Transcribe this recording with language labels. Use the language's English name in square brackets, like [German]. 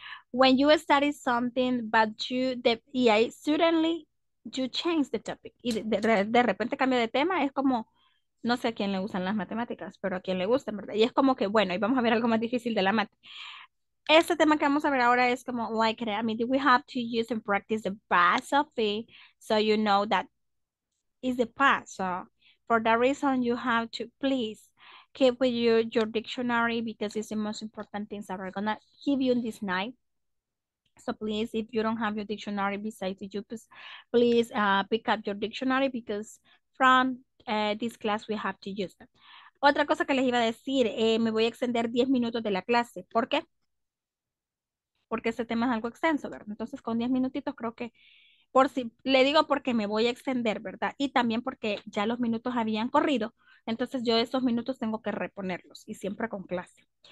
[English] When you study something, but you, suddenly you change the topic. [Spanish] Y de repente cambia de tema, es como, no sé a quién le gustan las matemáticas, pero a quién le gustan, ¿verdad? Y es como que, bueno, y vamos a ver algo más difícil de la mate. Este tema que vamos a ver ahora es como, [English] like, I mean, do we have to use and practice the past of it so you know that is the past? So, for that reason, you have to please keep with you your dictionary because it's the most important things that we're gonna give you this night. So please, if you don't have your dictionary besides you, please pick up your dictionary because from this class we have to use them. [Spanish] Otra cosa que les iba a decir, me voy a extender 10 minutos de la clase. ¿Por qué? Porque este tema es algo extenso, ¿verdad? Entonces con 10 minutitos creo que, por si le digo porque me voy a extender, ¿verdad? Y también porque ya los minutos habían corrido. Entonces yo esos minutos tengo que reponerlos y siempre con clase.